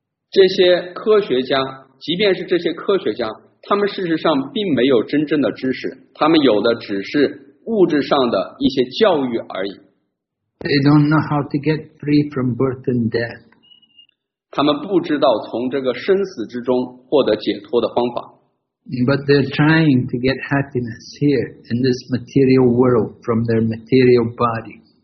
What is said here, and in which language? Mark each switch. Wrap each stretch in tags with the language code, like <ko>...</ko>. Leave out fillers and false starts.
<zh>这些科学家，即便是这些科学家，他们事实上并没有真正的知识，他们有的只是物质上的一些教育而已。</zh> <en>They don't know how to get free from birth and death.</en> <zh>他们不知道从这个生死之中获得解脱的方法。</zh> <en>But they're trying to get happiness here in this material world from their material body.</en>